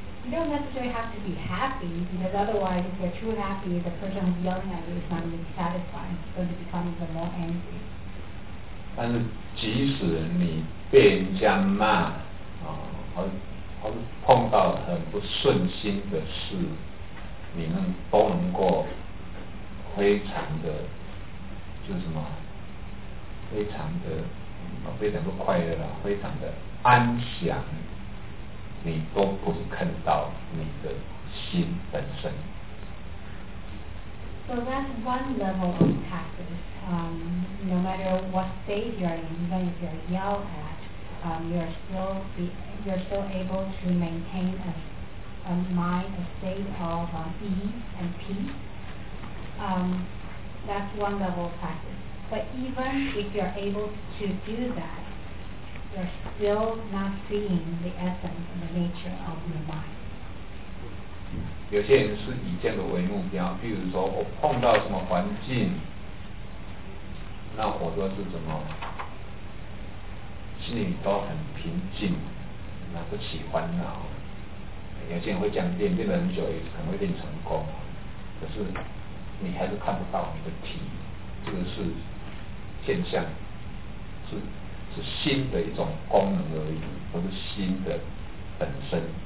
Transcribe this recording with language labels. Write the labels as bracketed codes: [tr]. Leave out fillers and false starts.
[en] You don't necessarily have to be happy, because otherwise, if you're too happy, the person who's yelling at you is not really satisfied, so you become even more angry. [zh] 但是即使你被人家骂，或是碰到很不顺心的事，你们都能够非常的，就是什么，非常的，非常的快乐啦，非常的安详，你都不会看到你的心本身。 [en] So that's one level of practice. No matter what state you're in, even if you're yelled at, you're still able to maintain a state of ease and peace. That's one level of practice. But even if you're able to do that, you're still not seeing the essence and the nature of your mind. [zh] 有些人是以这个为目标，比如说我碰到什么环境，那我都是怎么心里都很平静，那不起烦恼。有些人会这样练，练了很久也可能会练成功，可是你还是看不到你的体，这个是现象，是心的一种功能而已，不是心的本身。